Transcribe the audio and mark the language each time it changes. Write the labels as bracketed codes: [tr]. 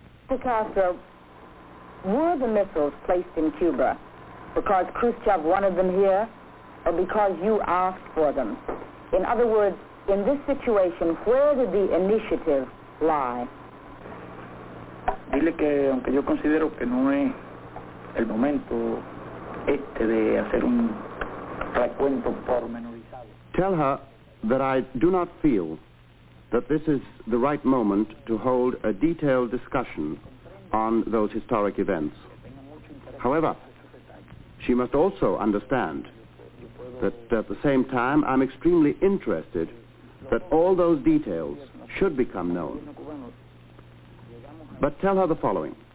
[en] Mr. Castro, were the missiles placed in Cuba because Khrushchev wanted them here or because you asked for them? In other words, in this situation, where did the initiative lie? [es] Dile que aunque yo considero que no es el momento este de hacer un recuento pormenorizado. [en] Tell her that I do not feel that this is the right moment to hold a detailed discussion on those historic events. However, she must also understand that at the same time, I'm extremely interested that all those details should become known. But tell her the following.